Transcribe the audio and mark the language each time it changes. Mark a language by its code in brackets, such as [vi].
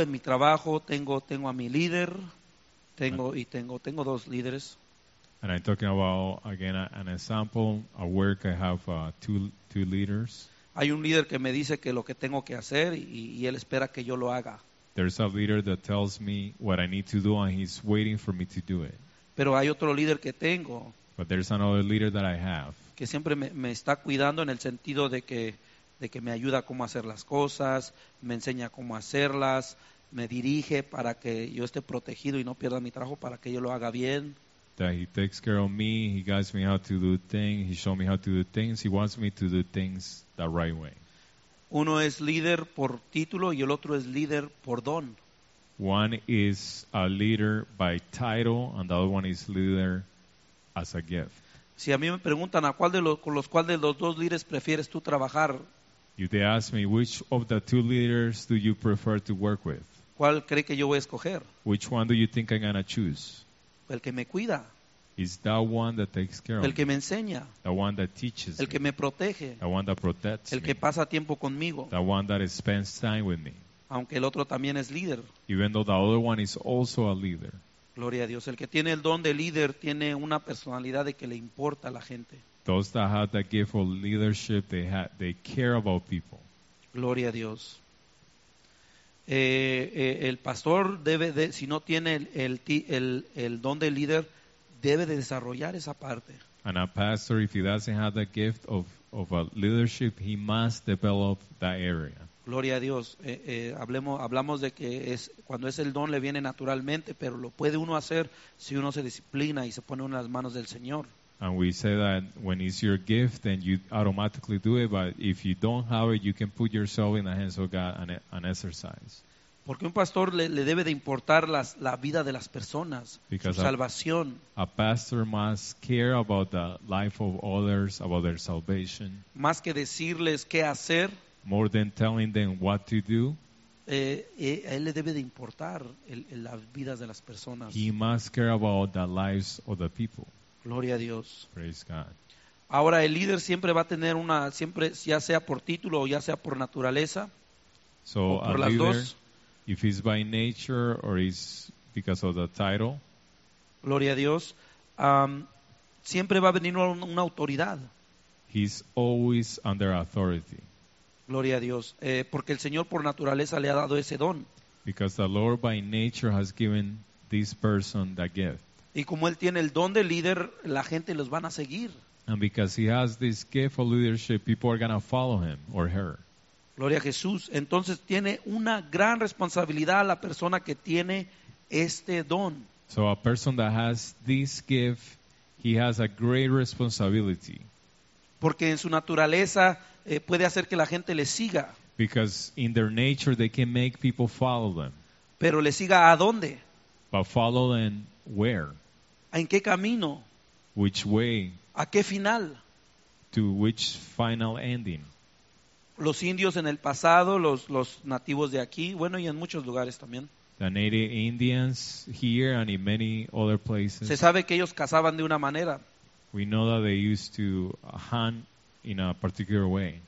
[es] En mi trabajo tengo a mi líder, tengo dos líderes. [en] And I'm talking about again an example. At work I have two leaders. [es] Hay un líder que me dice que lo que tengo que hacer y él espera que yo lo haga. [en] There's a leader that tells me what I need to do and he's waiting for me to do it. [es] Pero hay otro líder que tengo. [en] But there's another leader that I have. [es] Que siempre me está cuidando en el sentido de que me ayuda cómo hacer las cosas, me enseña cómo hacerlas, me dirige para que yo esté protegido y no pierda mi trabajo, para que yo lo haga bien. [en] That he takes care of me, he guides me how to do things, he shows me how to do things, he wants me to do things the right way. [es] Uno es líder por título y el otro es líder por don. [en] One is a leader by title and the other one is leader as a gift. [es] Si a mí me preguntan con los cuales de los dos líderes prefieres tú trabajar. [en] If they ask me, which of the two leaders do you prefer to work with? [es] ¿Cuál cree que yo voy a escoger? [en] Which one do you think I'm going to choose? [es] El que me cuida. [en] It's the one that takes care of [es] me. El que me enseña. [en] The one that teaches [es] me. El que me protege. [en] The one that protects [es] me. El que pasa tiempo conmigo. [en] The one that spends time with me. [es] Aunque el otro también es líder. [en] Even though the other one is also a leader. [es] Gloria a Dios. El que tiene el don de líder tiene una personalidad de que le importa a la gente. [en] Those that have the gift of leadership, they care about people. [es] Gloria a Dios. El pastor si no tiene el don de líder, debe de desarrollar esa parte. [en] And a pastor, if he doesn't have the gift of a leadership, he must develop that area. [es] Gloria a Dios. Hablamos de que cuando es el don le viene naturalmente, pero lo puede uno hacer si uno se disciplina y se pone en las manos del Señor. [en] And we say that when it's your gift, then you automatically do it. But if you don't have it, you can put yourself in the hands of God and exercise. [es] Porque un pastor le debe de importar la vida de las personas, [en] because [es] su salvación. [en] A pastor must care about the life of others, about their salvation. [es] Más que decirles qué hacer. [en] More than telling them what to do. [es] A él le debe de importar las vidas de las personas. [en] He must care about the lives of the people. [es] Gloria a Dios. [en] Praise God. [es] Ahora el líder siempre va a tener siempre, ya sea por título o ya sea por naturaleza. [en] So [es] o por a las [en] leader, [es] dos. [en] If he's by nature or he's because of the title. [es] Gloria a Dios. Siempre va a venir una autoridad. [en] He's always under authority. [es] Gloria a Dios. Porque el Señor por naturaleza le ha dado ese don. [en] Because the Lord by nature has given this person that gift. [es] Y como él tiene el don de líder, la gente los van a seguir. [en] And because he has this gift of leadership, people are going to follow him or her. [es] Gloria a Jesús. Entonces tiene una gran responsabilidad la persona que tiene este don. [en] So a person that has this gift, he has a great responsibility. [es] Porque en su naturaleza puede hacer que la gente le siga. [en] Because in their nature they can make people follow them. [es] Pero le siga ¿a dónde? [en] But follow them where? [es] ¿En qué camino? [en] Which way? [es] ¿A qué final? [en] To which final ending? [es] Los indios en el pasado, los nativos de aquí, bueno, y en muchos lugares también. [en] The native Indians here and in many other places. [es] Se sabe que ellos cazaban de una manera. [en] We know that they used to hunt in a particular way.